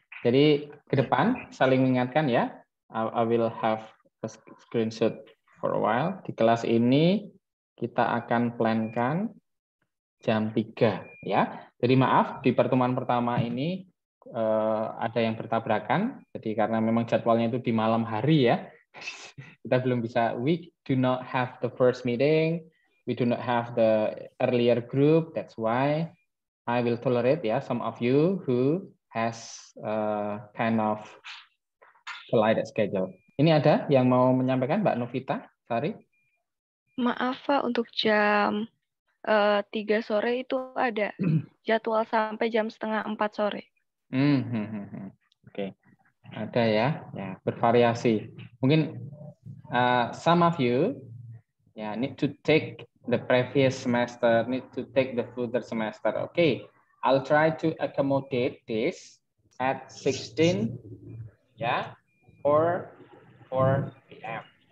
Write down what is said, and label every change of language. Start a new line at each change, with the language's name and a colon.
Indonesian: Jadi ke depan saling mengingatkan ya.
English: I will have a screenshot for a while.
Indonesian: Di kelas ini kita akan plankan jam 3 ya. Jadi maaf di pertemuan pertama ini ada yang bertabrakan. Jadi karena memang jadwalnya itu di malam hari ya. Kita belum bisa,
English: we do not have the first meeting. We do not have the earlier group. That's why I will tolerate some of you who has kind of collided schedule.
Indonesian: Ini ada yang mau menyampaikan, Mbak Novita? Sari? Maaf, Pak, untuk jam 3 sore itu ada jadwal sampai jam setengah 4 sore. Oke. Okay. Ada ya. Ya, bervariasi.
English: Mungkin some of you need to take the previous semester, need to take the further semester. Okay, I'll try to accommodate this at 16, or 4 p.m.